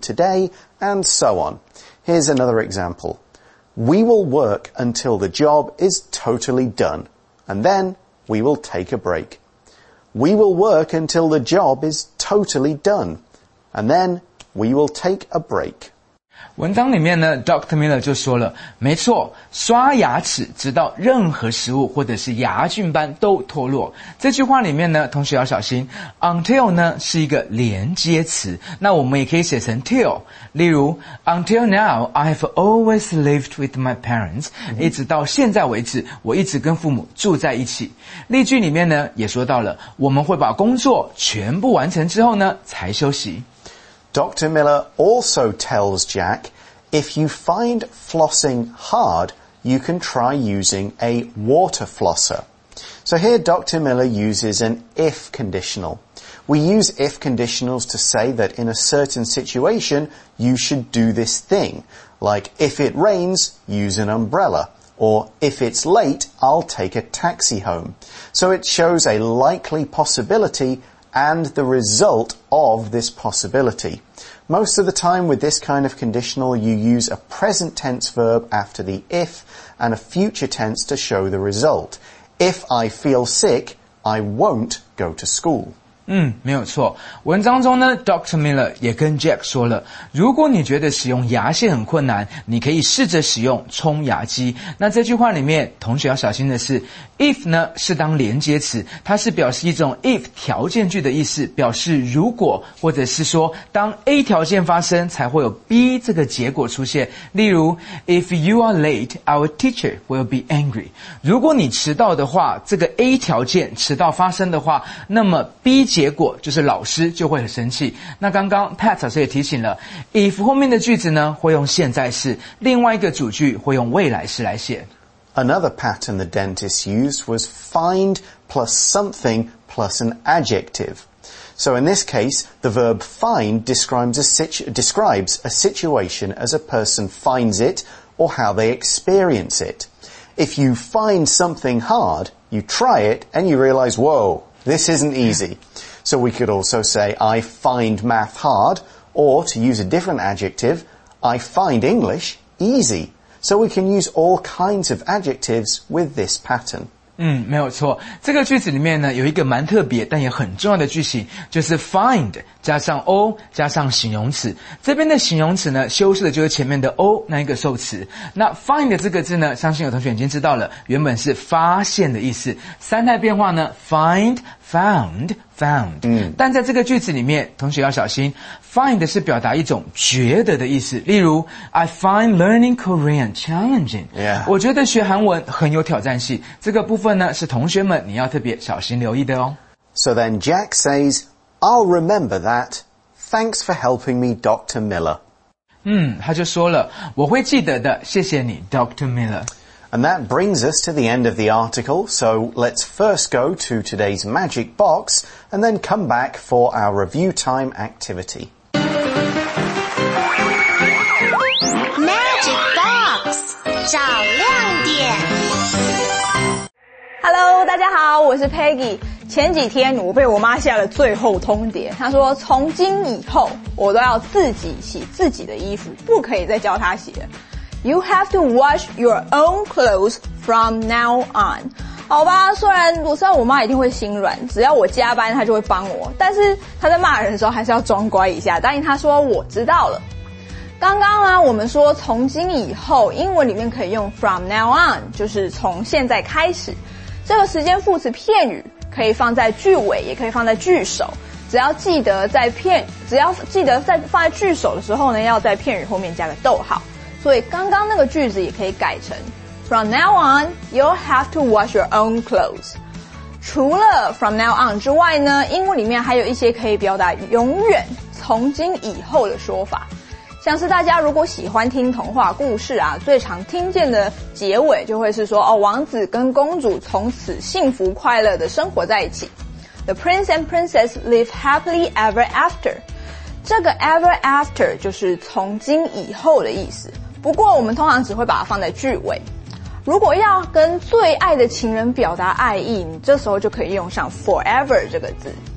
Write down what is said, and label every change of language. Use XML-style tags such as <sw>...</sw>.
<en>today, and so on. Here's another example. We will work until the job is totally done, and then we will take a break. We will work until the job is totally done, and then we will take a break.</en> <zh>文章里面呢 ,Dr. Miller 就说了，没错，刷牙齿直到任何食物或者是牙菌斑都脱落。这句话里面呢，同学要小心 ,until 呢是一个连接词，那我们也可以写成 till, 例如 ,</zh> <en>until now, I have always lived with my parents,、</en> <zh>一直到现在为止我一直跟父母住在一起。例句里面呢也说到了，我们会把工作全部完成之后呢才休息。</zh> <en>Dr. Miller also tells Jack, if you find flossing hard, you can try using a water flosser. So here Dr. Miller uses an if conditional. We use if conditionals to say that in a certain situation, you should do this thing. Like, if it rains, use an umbrella. Or, if it's late, I'll take a taxi home. So it shows a likely possibility and the result of this possibility. Most of the time with this kind of conditional, you use a present tense verb after the if and a future tense to show the result. If I feel sick, I won't go to school.</en> <zh>嗯，没有错。文章中呢 ，Dr. Miller 也跟 Jack 说了，如果你觉得使用牙线很困难，你可以试着使用冲牙机。那这句话里面，同学要小心的是 ，if 呢是当连接词，它是表示一种 if 条件句的意思，表示如果或者是说当 A 条件发生才会有 B 这个结果出现。例如 ，If you are late, our teacher will be angry。如果你迟到的话，这个 A 条件迟到发生的话，那么 B。结果就是老师就会很生气。那刚刚 Pat 老师也提醒了 ，if 后面的句子呢会用现在式，另外一个主句会用未来式来写。</zh> <en>Another pattern the dentist used was find plus something plus an adjective. So in this case, the verb find describes a situation as a person finds it or how they experience it. If you find something hard, you try it and you realize, whoa, this isn't easy. So we could also say, I find math hard, or to use a different adjective, I find English easy. So we can use all kinds of adjectives with this pattern.</en> <zh>嗯，没有错。这个句子里面呢，有一个蛮特别但也很重要的句型，就是 find 加上 o 加上形容词。这边的形容词呢，修饰的就是前面的 o 那一个受词。那 find 的这个字呢，相信有同学已经知道了，原本是发现的意思。三态变化呢 ，find、found、found。嗯，但在这个句子里面，同学要小心 ，find 是表达一种觉得的意思。</zh> <en>例如 ，I find learning Korean challenging。 Yeah.</en> <zh>我觉得学韩文很有挑战性。这个部分呢，是同学们你要特别小心留意的哦。</zh> <en>So then Jack says。 I'll remember that. Thanks for helping me, Dr. Miller.</en> <zh>嗯，他就说了，我会记得的，谢谢你 ,Dr.</zh> <en>Miller. And that brings us to the end of the article, so let's first go to today's magic box and then come back for our review time activity. Magic box!</en> <zh>找亮点 Hello, 大家好，我是 Peggy。前几天我被我妈下了最后通牒，她说从今以后我都要自己洗自己的衣服，不可以再教她洗了。</zh> <en>You have to wash your own clothes from now on。</en> <zh>好吧，虽然我妈一定会心软，只要我加班她就会帮我，但是她在骂人的时候还是要装乖一下，答应她说我知道了。刚刚啊，我们说从今以后，英文里面可以用 from now on， 就是从现在开始。这个时间副词片语。可以放在句尾，也可以放在句首，只要记得在放在句首的时候呢，要在片语后面加个逗号。所以刚刚那个句子也可以改成</zh> <en>：From now on, you'll have to wash your own clothes。</en> <zh>除了 from now on 之外呢，英文里面还有一些可以表达永远、从今以后的说法。像是大家如果喜欢听童话故事啊，最常听见的结尾就会是说，哦，王子跟公主从此幸福快乐的生活在一起。</zh> <en>The prince and princess live happily ever after.</en> <zh>这个 ever after 就是从今以后的意思。不过我们通常只会把它放在句尾。如果要跟最爱的情人表达爱意，你这时候就可以用上 forever 这个字。</zh>